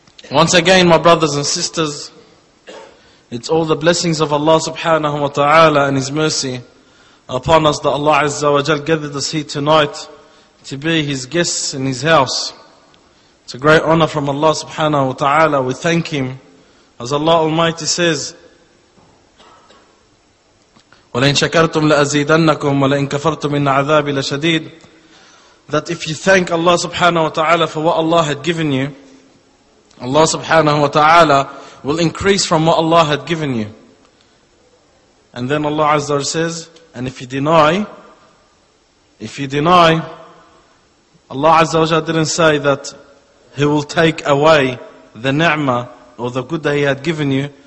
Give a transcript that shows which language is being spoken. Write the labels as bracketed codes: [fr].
[en] Once again, my brothers and sisters, it's all the blessings of Allah subhanahu wa ta'ala and his mercy upon us that Allah Azza wa Jal gathered us here tonight to be his guests in his house. It's a great honor from Allah subhanahu wa ta'ala. We thank him. As Allah Almighty says, [ar] وَلَئِن شَكَرْتُمْ لَأَزِيدَنَّكُمْ وَلَئِن كَفَرْتُمْ إِنَّ عَذَابِ لَشَدِيدٌ. [en] That if you thank Allah subhanahu wa ta'ala for what Allah had given you, Allah subhanahu wa ta'ala will increase from what Allah had given you. And then Allah Azza wa Jal says, and if you deny, Allah Azza wa Jalla didn't say that he will take away the ni'mah or the good that he had given you.